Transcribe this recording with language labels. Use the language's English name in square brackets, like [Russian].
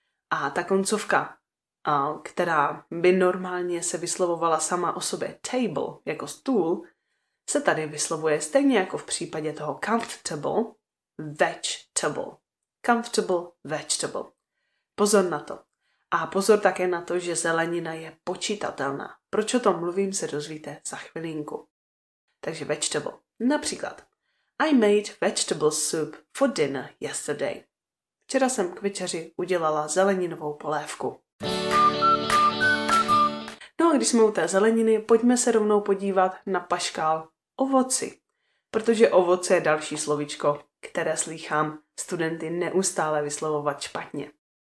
[Czech] A ta koncovka, a, která by normálně se vyslovovala sama o sobě table, jako stůl, se tady vyslovuje stejně jako v případě toho comfortable, vegetable. Comfortable, vegetable. Pozor na to. A pozor také na to, že zelenina je počítatelná. Proč o tom mluvím, se dozvíte za chvilinku. Takže vegetable. Například, [English] I made vegetable soup for dinner yesterday. [Czech] Včera jsem k večeři udělala zeleninovou polévku. No a když jsme u té zeleniny, pojďme se rovnou podívat na paškál ovoci. Protože ovoce je další slovíčko, které slýchám studenty neustále vyslovovat špatně.